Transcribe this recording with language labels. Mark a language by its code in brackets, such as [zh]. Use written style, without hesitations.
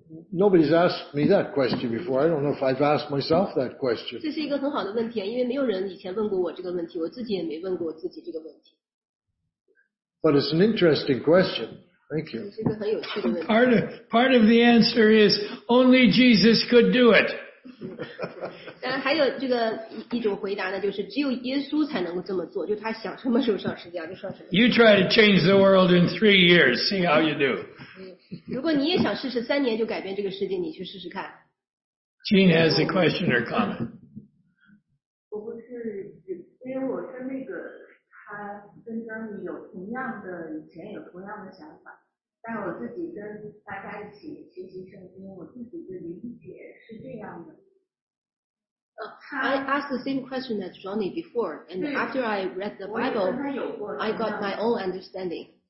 [en] Nobody's asked me that question before. I don't know if I've asked myself that question. [zh] 这是一个很好的问题，因为没有人以前问过我这个问题，我自己也没问过自己这个问题。 [en] But it's an interesting question. Thank you. [zh] 这是一个很有趣的问题。 [en] Part of the answer is only Jesus could do it. [zh] 但还有这个一种回答呢，就是只有耶稣才能够这么做，就他想什么时候上十字架就上什么。 [en] You try to change the world in 3 years, see how you do. [zh] 如果你也想试试三年就改变这个世界，你去试试看。 [en] Jean has a question or comment. [zh] 我不是，因为我是那个他跟你有同样的，以前有同样的想法。但我自己跟大家一起学习圣经，我自己的理解是这样的。 [en] I asked the same question as Johnny before, and after I read the Bible, I got my own understanding.